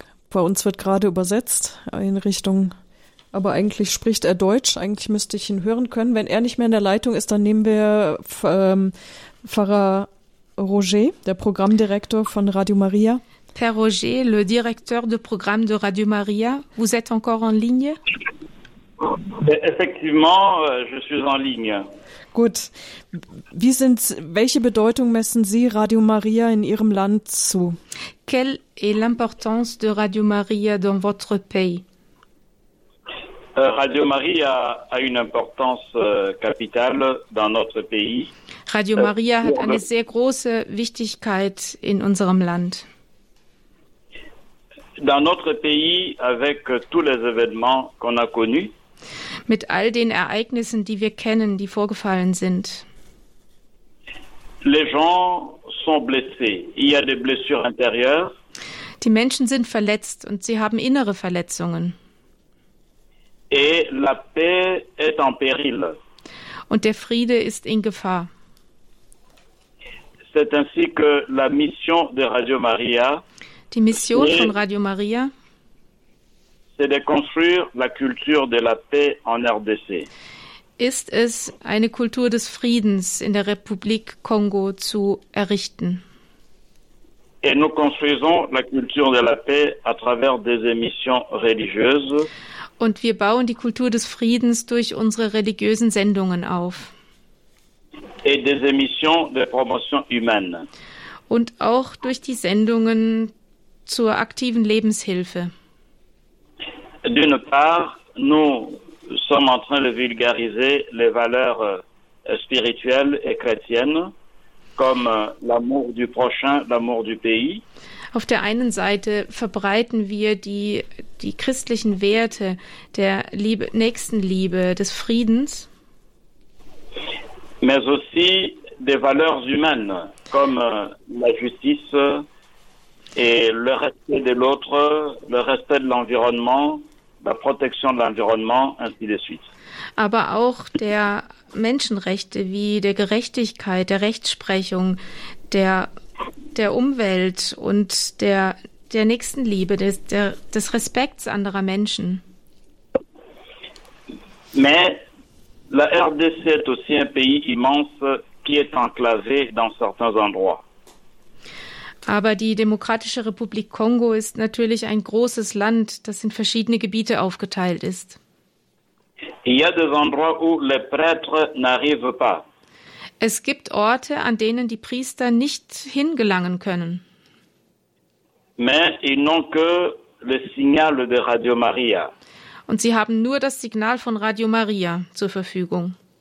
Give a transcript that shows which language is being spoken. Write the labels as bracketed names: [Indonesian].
[German] Bei uns wird gerade übersetzt in Richtung, aber eigentlich spricht er Deutsch, eigentlich müsste ich ihn hören können. Wenn er nicht mehr in der Leitung ist, dann nehmen wir Pfarrer Roger, der Programmdirektor von Radio Maria. [French] Père Roger, le directeur de programme de Radio Maria, vous êtes encore en ligne? Effectivement, je suis en ligne. [German] Gut. Welche Bedeutung messen Sie Radio Maria in Ihrem Land zu? [French] Quelle est l'importance de Radio Maria dans votre pays? Radio Maria a une importance capitale dans notre pays. [German] Radio Maria hat eine sehr große Wichtigkeit in unserem Land. [French] Dans notre pays, avec tous les événements qu'on a connus. [German] Mit all den Ereignissen, die wir kennen, die vorgefallen sind. [French] Les gens sont blessés. Il y a des blessures intérieures. [German] Die Menschen sind verletzt und sie haben innere Verletzungen. [French] Et la paix est en péril. [German] Und der Friede ist in Gefahr. [French] C'est ainsi que la mission de Radio Maria. [German] Die Mission von Radio Maria. [French] C'est de construire la culture de la paix en RDC. [German] Ist es, eine Kultur des Friedens in der Republik Kongo zu errichten. [French] Et nous construisons la culture de la paix à travers des émissions religieuses. [German] Und wir bauen die Kultur des Friedens durch unsere religiösen Sendungen auf. [French] Et des émissions de promotion humaine. [German] Und auch durch die Sendungen zur aktiven Lebenshilfe. [French] D'une part, nous sommes en train de vulgariser les valeurs spirituelles et chrétiennes, comme l'amour du prochain, l'amour du pays. [German] Auf der einen Seite verbreiten wir die christlichen Werte der Liebe, Nächstenliebe, des Friedens. [French] Mais aussi des valeurs humaines, comme la justice et le respect de l'autre, le respect de l'environnement. La protection de l'environnement, ainsi de suite. [German] Aber auch der Menschenrechte wie der Gerechtigkeit, der Rechtsprechung, der Umwelt und der Nächstenliebe, des Respekts anderer Menschen. [French] Mais la RDC est aussi un pays immense qui est enclavé dans certains endroits. [German] Aber die Demokratische Republik Kongo ist natürlich ein großes Land, das in verschiedene Gebiete aufgeteilt ist. [French] Il y a des endroits où les prêtres n'arrivent pas. [German] Es gibt Orte, an denen die Priester nicht hingelangen können. [French] Mais ils n'ont que le signal de Radio Maria. [German] Und sie haben nur das Signal von Radio Maria zur Verfügung.